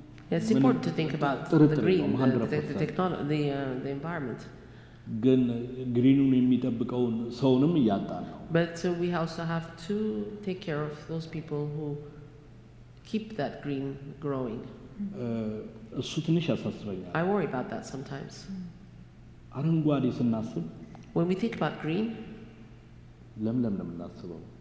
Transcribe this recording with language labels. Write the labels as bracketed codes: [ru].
[en] It's important to think about the green, the technology, the environment. [am] ግሪኑን የሚጠብቀውን ሰውንም እያጣን ነው. [en] But we also have to take care of those people who keep that green growing. [am] እሱ ትንሽ ያሳስበኛል. [en] I worry about that sometimes. [am] አረንጓዴ ስናስብ [en] when we think about green [am] ለምለም ለምናስበው